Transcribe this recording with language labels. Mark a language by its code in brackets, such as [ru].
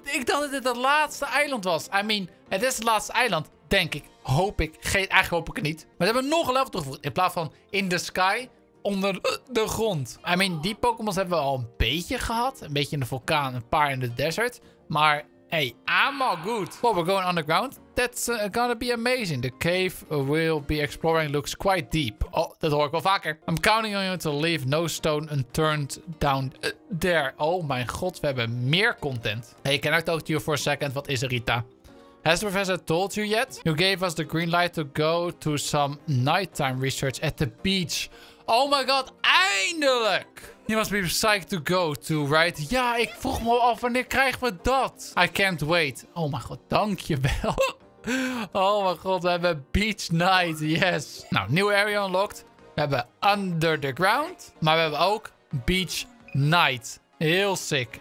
[nl] Ik dacht dat dit het laatste eiland was. [en] I mean, [nl] het is het laatste eiland, denk ik. Hoop ik. Eigenlijk hoop ik het niet. Maar ze hebben nog een level toegevoegd. In plaats van [en] in the sky, [nl] onder de grond. [en] I mean, [nl] die Pokémon's hebben we al een beetje gehad. Een beetje in de vulkaan, een paar in de desert. [en] Maar, hey, I'm all good. Well, we're going underground. That's gonna be amazing. The cave we'll be exploring looks quite deep. [nl] Oh, dat hoor ik wel vaker. [en] I'm counting on you to leave no stone unturned down there. [nl] Oh mijn god, we hebben meer content. [en] Hey, can I talk to you for a second? [nl] Wat is er, [en] Rita? Has the professor told you yet? You gave us the green light to go to some nighttime research at the beach. Oh my god, [nl] eindelijk! [en] You must be psyched to go to, right? [nl] Ja, ik vroeg me af wanneer krijgen we dat? [en] I can't wait. Oh my god, [nl] dankjewel. [en] Oh my god, [nl] we hebben [en] beach night, yes. Nou, new area unlocked. [nl] We hebben [en] under the ground. [nl] Maar we hebben ook beach night. Heel sick.